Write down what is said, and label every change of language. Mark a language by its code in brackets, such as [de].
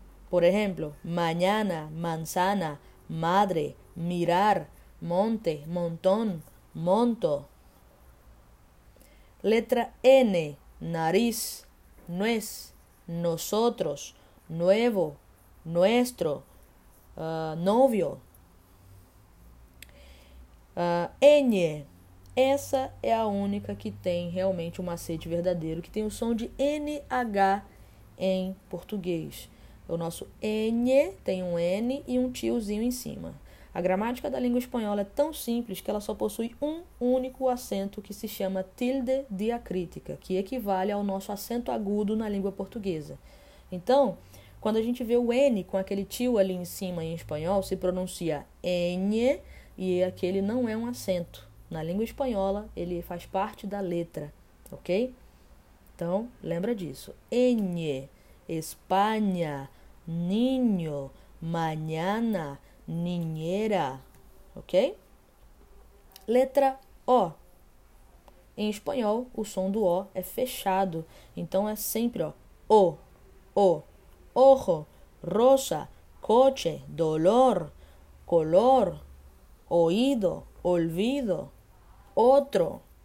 [es] Por ejemplo, mañana, manzana, madre, mirar, monte, montón, monto. Letra N, nariz, nuez, nosotros, nuevo, nuestro, novio. [pt] Ñ, essa é a única que tem realmente um macete verdadeiro, que tem o som de NH em português. O nosso N tem um N e um tiozinho em cima. A gramática da língua espanhola é tão simples que ela só possui um único acento que se chama tilde diacrítica, que equivale ao nosso acento agudo na língua portuguesa. Então, quando a gente vê o N com aquele tio ali em cima em espanhol, se pronuncia N e aquele não é um acento. Na língua espanhola, ele faz parte da letra, ok? Então, lembra disso. N, Espanha. [es] Niño, mañana, niñera, ok? [pt] Letra O. Em espanhol, o som do O é fechado, então é sempre ó, O, O. [es] Ojo, rosa, coche, dolor, color, oído, olvido, otro.